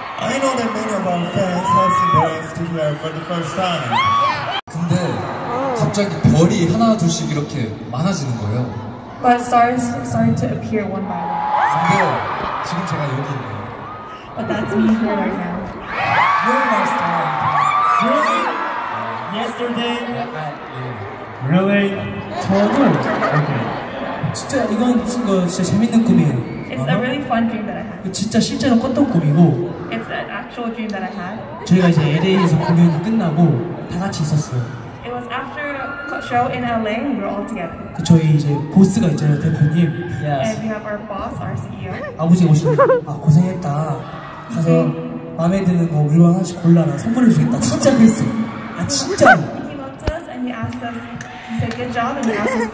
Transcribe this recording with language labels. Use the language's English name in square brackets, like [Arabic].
[English] I know that many of our fans have seen the studio for the first time. [Korean] 근데 갑자기 별이 하나 둘씩 이렇게 많아지는 거예요. [English] But stars starting to appear one by one. [Korean] 근데 지금 제가 여기 있네요. [English] But that's me here right now. You're my star. Yesterday. Yeah, really? Okay. [Korean] 진짜 이건 진짜 재밌는 꿈이에요. [English] It's a really fun dream that I had. [Korean] 진짜 실제로 꿨던 꿈이고. [English] It's an actual dream that I had. [Korean] 저희가 이제 LA에서 공연이 끝나고 다 같이 있었어요. [English] It was after show in LA, we were all together. [Korean] 그 저희 이제 보스가 있잖아요, 대표님. [English] Yes. And we have our boss, our CEO. [Korean] 아버지 오시는데 아 고생했다. 가서 마음에 드는 거 위로 하나씩 골라라 선물해 주겠다. 진짜 그랬어. 아, 진짜. [English] He came up to us and he asked us, he said, good job, and he asked us